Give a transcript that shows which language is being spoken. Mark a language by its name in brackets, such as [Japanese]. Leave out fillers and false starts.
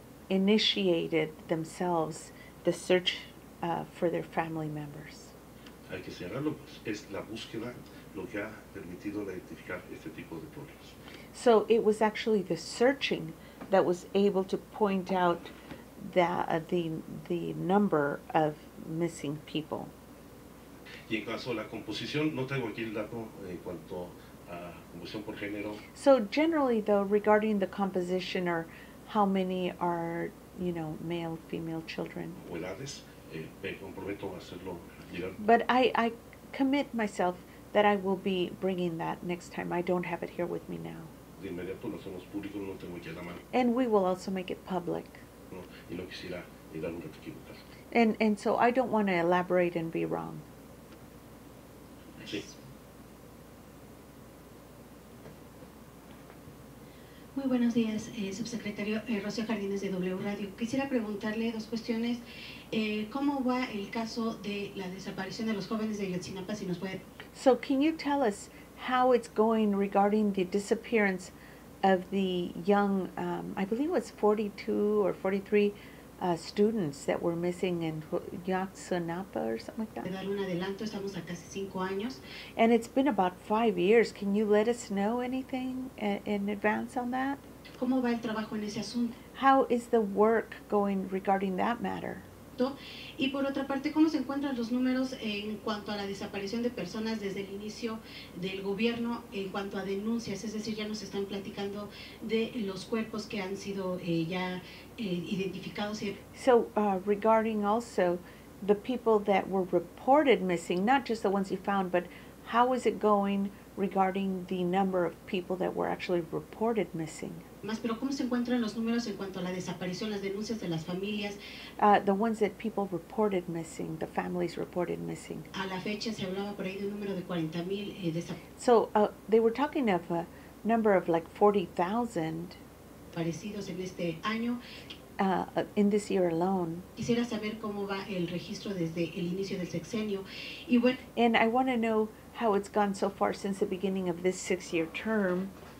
[English] initiated themselves the search for their family members. [Spanish] Hay que cerrarlo, pues. Es la búsqueda lo que ha permitido identificar este tipo de problemas. [English] So it was actually the searching that was able to point out the number of missing people. [Spanish] Y en caso de la composición, no tengo aquí el dato en cuanto a composición por género. [English] So generally, though, regarding the composition or how many are, you know, male, female children. [Spanish] Edades, me comprometo a hacerlo. [English] But I commit myself that I will be bringing that next time. I don't have it here with me now. [Spanish] De inmediato lo hacemos público, no tengo aquí a la mano. [English] And we will also make it public. [Spanish] No, y no quisiera ir a un rato equivocado. [English] And so I don't want to elaborate and be wrong. Sí. Muy buenos días, subsecretario Rocío Jardines de W Radio. Quisiera preguntarle dos cuestiones. ¿Cómo va el caso de la desaparición de los jóvenes de Ayotzinapa, si nos puede? So can you tell us how it's going regarding the disappearance of the young, I believe it was 42 or 43 students that were missing in Ayotzinapa or something like that? [Spanish] De dar un adelanto, estamos a casi 5 años. [English] And it's been about 5 years. Can you let us know anything in advance on that? [Spanish] ¿Cómo va el trabajo en ese asunto? [English] How is the work going regarding that matter? [Spanish] Y por otra parte, ¿cómo se encuentran los números en cuanto a la desaparición de personas desde el inicio del gobierno en cuanto a denuncias? Es decir, ya nos están platicando de los cuerpos que han sido ya identificados. [English] So, regarding also the people that were reported missing, not just the ones you found, but how is it going regarding the number of people that were actually reported missing? [Spanish] Más, pero ¿cómo se encuentran los números en cuanto a la desaparición, las denuncias de las familias? [English] The ones that people reported missing, the families reported missing. [Spanish] A la fecha se hablaba por ahí de un número de 40,000 desaparecidos. [English] So, they were talking of a number of like 40,000 [Spanish] desaparecidos en este año. [English] In this year alone. [Spanish] Quisiera saber cómo va el registro desde el inicio del sexenio. Y bueno, [English] and I want to know how it's gone so far since the beginning of this 6-year term.